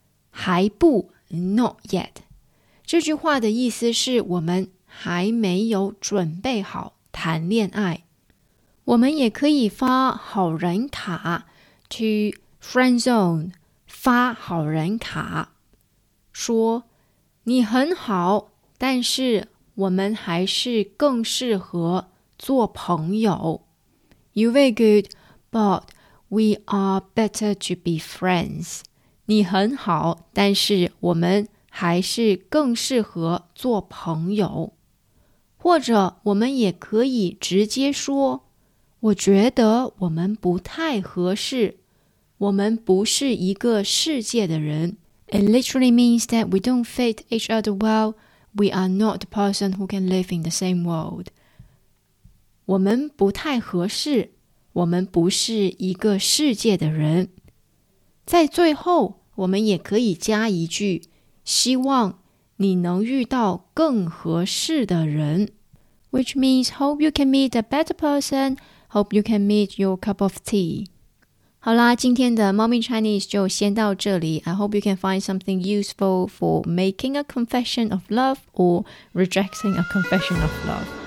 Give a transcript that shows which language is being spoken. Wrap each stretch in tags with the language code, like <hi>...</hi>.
<zh>还不 ,</zh> <en>not yet.</en> <zh>这句话的意思是我们还没有准备好谈恋爱。我们也可以发好人卡</zh> <en>to friend zone,</en> <zh>发好人卡说你很好，但是我们还是更适合做朋友。</zh> <en>You're very good, but we are better to be friends.</en> <zh>你很好，但是我们还是更适合做朋友。或者我们也可以直接说，我觉得我们不太合适，我们不是一个世界的人。</zh> <en>It literally means that we don't fit each other well. We are not the person who can live in the same world.</en> <zh>我们不太合适，我们不是一个世界的人。在最后，我们也可以加一句，希望你能遇到更合适的人。</zh> <en>Which means hope you can meet a better person. Hope you can meet your cup of tea.</en> <zh>好啦，今天的 Mommy Chinese 就先到这里。</zh> <en>I hope you can find something useful for making a confession of love or rejecting a confession of love.</en>